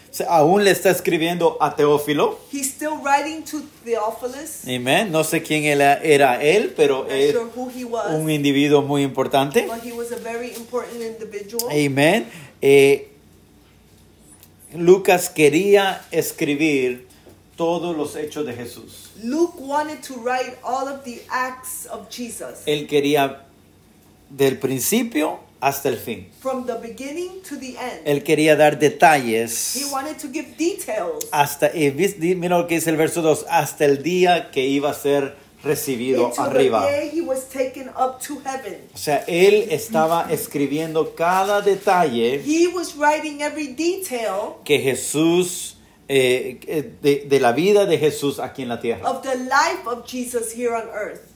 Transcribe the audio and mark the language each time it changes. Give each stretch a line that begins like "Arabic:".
Spanish: Aún le está escribiendo a Teófilo.
English: He's still writing to Theophilus. Amen.
Spanish: No sé quién era él, pero es
English: sure who he was.
Spanish: Un individuo muy importante.
English: But he was a very important individual. Amen.
Spanish: Lucas quería escribir todos los hechos de Jesús.
English: Luke wanted to write all of the acts of Jesus.
Spanish: Él quería del principio hasta el fin.
English: From the beginning to the end.
Spanish: Él quería dar detalles.
English: He wanted to give details.
Spanish: Hasta, mira lo que dice el verso 2. Hasta el día que iba a ser recibido
English: into
Spanish: arriba.
English: The day he was taken up to heaven.
Spanish: O sea, él estaba escribiendo cada detalle.
English: He was writing every detail.
Spanish: Que Jesús, de la vida de Jesús aquí en la tierra.
English: Of the life of Jesus here on earth.